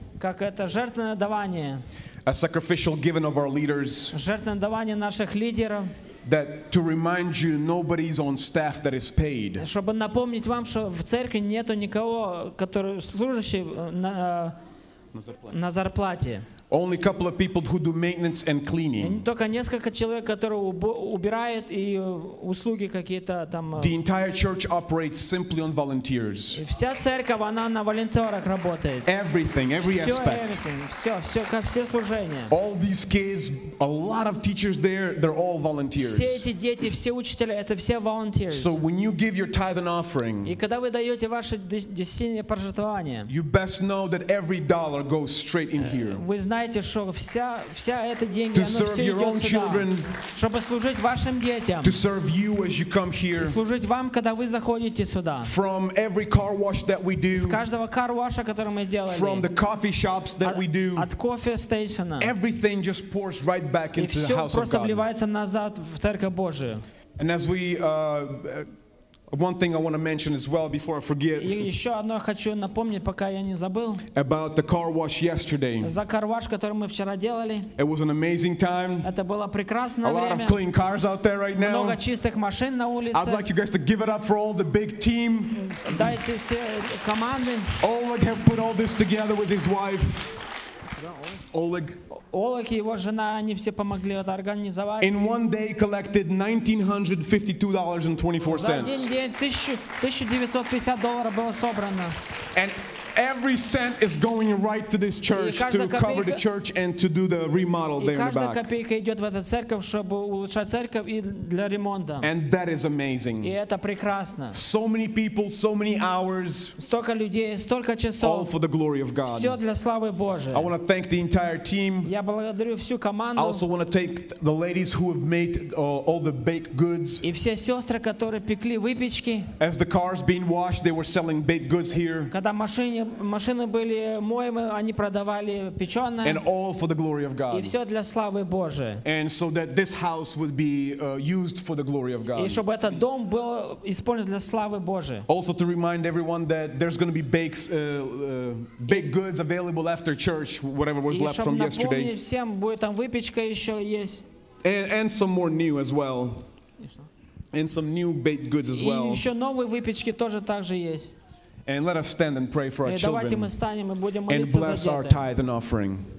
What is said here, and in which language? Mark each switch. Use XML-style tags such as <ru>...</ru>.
<ru>Как это жертвенное давание.</ru> <en>A sacrificial giving of our leaders.</en> <ru>Жертвенное давание наших лидеров.</ru> <en>That to remind you, nobody's on staff that is paid.</en> <ru>Чтобы напомнить вам, что в церкви нету никого, который служащий на зарплате.</ru> <en>Only a couple of people who do maintenance and cleaning.</en> <ru>Только несколько человек, которые убирают и услуги какие-то там.</ru> <en>The entire church operates simply on volunteers.</en> <ru>Вся церковь она на волонтерах работает.</ru> <en>Everything, every aspect.</en> <ru>Все служения.</ru> <en>All these kids, a lot of teachers there, they're all volunteers.</en> <ru>Все эти дети, все учителя, это все volunteers.</ru> <en>So when you give your tithe and offering.</en> <ru>И когда вы даете ваше десятинное пожертвование.</ru> <en>You best know that every dollar goes straight in here.</en> <ru>Знаете, что вся эта деньги, она все идет сюда,</ru> <en>children,</en> <ru>чтобы служить вашим детям,</ru> <en>here,</en> <ru>служить вам, когда вы заходите сюда,</ru> <en>do,</en> <ru>с каждого кар-ваша, который мы делали,</ru> <en>from the coffee shops that we do,</en> <ru>от кофе-стейшена,</ru> <en>everything just pours right back into the house of God.</en> <ru>И все просто вливается назад в Церковь Божию.</ru> <en>And as we, one thing I want to mention as well before I forget.</en> <ru>И еще одно хочу напомнить, пока я не забыл.</ru> <en>About the car wash yesterday.</en> <ru>За кар-ваш, который мы вчера делали.</ru> <en>It was an amazing time.</en> <ru>Это было прекрасное время.</ru> <en>A lot of clean cars out there right now.</en> <ru>Много чистых машин на улице.</ru> <en>I'd like you guys to give it up for all the big team.</en> <ru>Дайте все команды.</ru> <en>Oleg have put all this together with his wife.</en> <ru>Oleg. Олег и его жена, они все помогли это организовать.</ru> <en>In one day collected $1,952.24.</en> <ru>За один день $1,950 было собрано.</ru> <en>And every cent is going right to this church to cover the church and to do the remodel there in the back.</en> <ru>И каждая копейка идет в эту церковь, чтобы улучшать церковь и для ремонта.</ru> <en>And that is amazing.</en> <ru>И это прекрасно.</ru> <en>So many people, so many hours.</en> <ru>Столько людей, столько часов.</ru> <en>All for the glory of God.</en> <ru>Все для славы Божией.</ru> <en>I want to thank the entire team.</en> <ru>Я благодарю всю команду.</ru> <en>I also want to thank the ladies who have made all the baked goods.</en> <ru>И все сестры, которые пекли выпечки.</ru> <en>As the cars being washed, they were selling baked goods here.</en> <ru>Когда машины были моемы, они продавали печеное.</ru> <en>And all for the glory of God.</en> <ru>И все для славы Божией.</ru> <en>And so that this house would be used for the glory of God.</en> <ru>И чтобы этот дом был использован для славы Божией.</ru> <en>Also to remind everyone that there's going to be baked goods available after church, whatever was left from yesterday.</en> <ru>И всем будет там выпечка еще есть.</ru> <en>And some more new as well. And some new baked goods as well.</en> <ru>И еще новые выпечки тоже также есть.</ru> <en>And let us stand and pray for our children and bless our tithe and offering.</en>